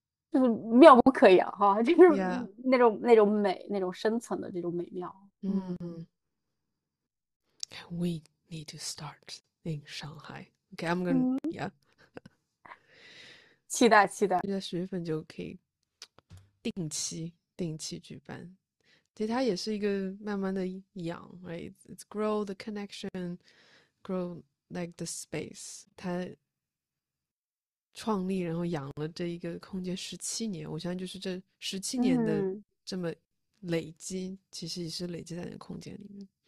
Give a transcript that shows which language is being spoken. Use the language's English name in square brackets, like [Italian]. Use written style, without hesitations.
[Chinese] 就是妙不可言哈，就是那种美，那种深层的这种美妙。 [English] We need to start in Shanghai. Okay, I'm gonna, yeah. [Chinese] 期待期待。就在10月份就可以定期举办。其实它也是一个慢慢的养，right? [English] It's grow the connection, grow like the space. [Chinese] 它创立，然后养了这一个空间17年，我相信就是这17年的这么累积，其实也是累积在那空间里